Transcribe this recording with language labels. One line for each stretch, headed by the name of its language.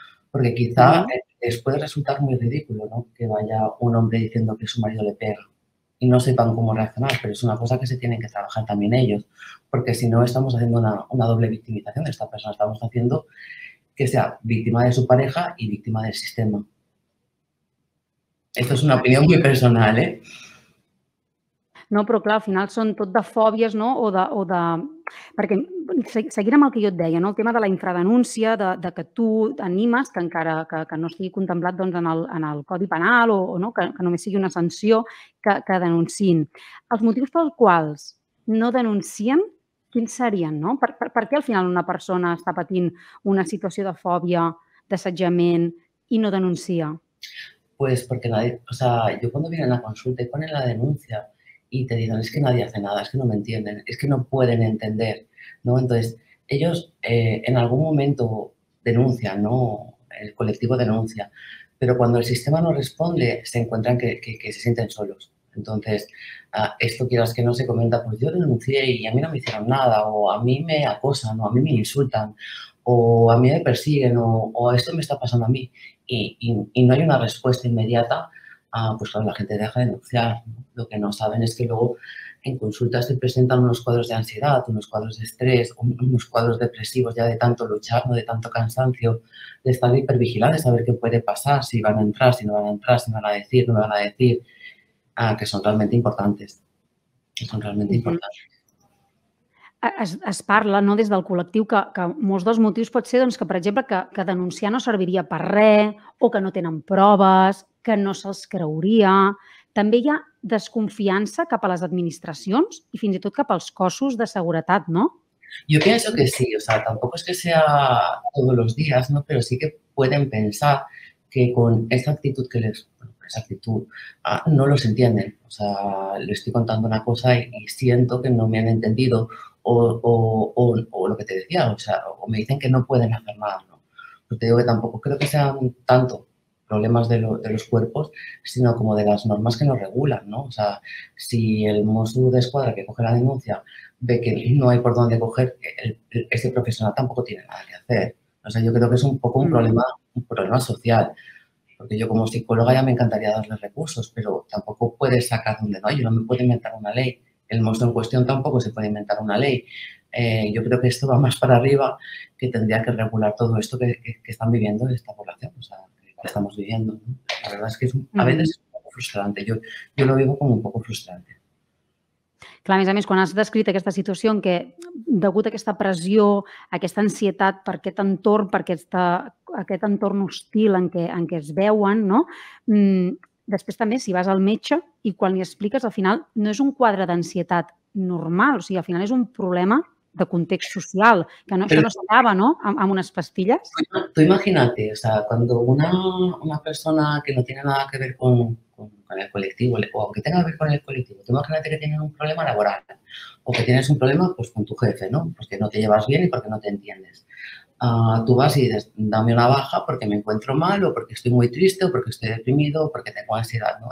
Spanish: Porque quizá les puede resultar muy ridículo, ¿no?, que vaya un hombre diciendo que su marido le pega y no sepan cómo reaccionar, pero es una cosa que se tienen que trabajar también ellos, porque si no estamos haciendo una doble victimización de esta persona, estamos haciendo que sea víctima de su pareja y víctima del sistema. Esto es una opinión muy personal, ¿eh?
Catalan: No, però clar, al final són tot de fòbies, no? o de... Perquè seguint amb el que jo et deia, no? El tema de la infradenúncia, de que tu animes, que encara que no estigui contemplat, doncs, en el Codi Penal o no? que només sigui una sanció, que denunciïn. Els motius pels quals no denuncien, quins serien? No? Per què al final una persona està patint una situació de fòbia, d'assetjament i no denuncia?
Spanish: Pues porque nadie, o sea, yo cuando vine a la consulta y ponen la denuncia, y te dicen, es que nadie hace nada, es que no me entienden, es que no pueden entender, ¿no? Entonces, ellos en algún momento denuncian, ¿no? El colectivo denuncia, pero cuando el sistema no responde, se encuentran que se sienten solos. Entonces, esto quieras que no se comenta, pues yo denuncié y a mí no me hicieron nada, o a mí me acosan, o a mí me insultan, o a mí me persiguen, o esto me está pasando a mí. Y no hay una respuesta inmediata. Ah, pues claro, la gente deja de denunciar. Lo que no saben es que luego en consultas se presentan unos cuadros de ansiedad, unos cuadros de estrés, unos cuadros depresivos ya de tanto luchar, ¿no?, de tanto cansancio, de estar hipervigilante, saber qué puede pasar, si van a entrar, si no van a entrar, si me van a decir, no me van a decir, que son realmente importantes. Son realmente importantes.
Catalan: Es parla, no?, des del col·lectiu que molts dels motius pot ser, doncs, que, per exemple, que denunciar no serviria per res o que no tenen proves, que no se'ls creuria. També hi ha desconfiança cap a les administracions i fins i tot cap als cossos de seguretat, no?
Spanish: Yo pienso que sí. O sea, tampoco es que sea todos los días, ¿no? Pero sí que pueden pensar que con esa actitud que les... Esa actitud, no los entienden. O sea, le estoy contando una cosa y siento que no me han entendido o lo que te decía. O sea, o me dicen que no pueden hacer nada, ¿no? Pero te digo que tampoco creo que sean tanto problemas de los cuerpos, sino como de las normas que nos regulan, ¿no? O sea, si el Mossu de Escuadra que coge la denuncia ve que no hay por dónde coger, este profesional tampoco tiene nada que hacer. O sea, yo creo que es un poco un problema social, porque yo como psicóloga ya me encantaría darle recursos, pero tampoco puedes sacar donde no hay. Yo no me puedo inventar una ley el monstruo en cuestión tampoco se puede inventar una ley. Yo creo que esto va más para arriba, que tendría que regular todo esto que están viviendo esta población, o sea, que estamos viviendo, ¿no? La verdad es que a veces es un poco frustrante. Yo lo vivo como un poco frustrante.
Catalan: Clar, a més, quan has descrit aquesta situació en què, degut a aquesta pressió, aquesta ansietat per aquest entorn, per aquest entorn hostil en què es veuen, no? Després també, si vas al metge i quan li expliques, al final no és un quadre d'ansietat normal, o sigui, al final és un problema de context social, que no, però, això no s'acaba, no?, amb unes pastilles. Tu imagina't,
Spanish: o sea, quan una persona que no tiene nada que ver con el colectivo, o aunque tenga que ver con el colectivo, tú imagínate que tienes un problema laboral o que tienes un problema pues, con tu jefe, ¿no? Pues que no te llevas bien y porque no te entiendes. Tú vas y dices, dame una baja porque me encuentro mal o porque estoy muy triste o porque estoy deprimido o porque tengo ansiedad, ¿no?